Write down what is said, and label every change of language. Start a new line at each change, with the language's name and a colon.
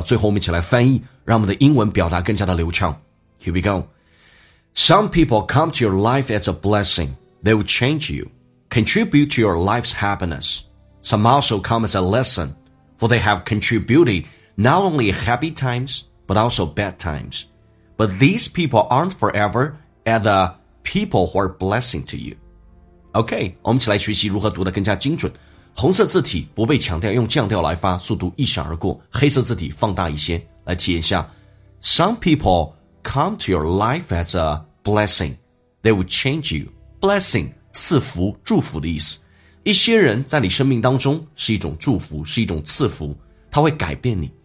Chinese: 最后我们一起来翻译，让我们的英文表达更加的流畅。
English: Here we go. Some people come to your life as a blessing. They will change you, contribute to your life's happiness. Some also come as a lesson, for they have contributed not only happy times but also bad times. But these people aren't forever at the people who are blessing to you.
Chinese: OK, 我们一起来学习如何读得更加精准。红色字体不被强调，用降调来发，速度一闪而过。黑色字体放大一些，来体验一下。
English: Some people come to your life as a blessing. They will change you. Blessing,
Chinese: 赐福、祝福的意思。一些人在你生命当中是一种祝福，是一种赐福，它会改变你。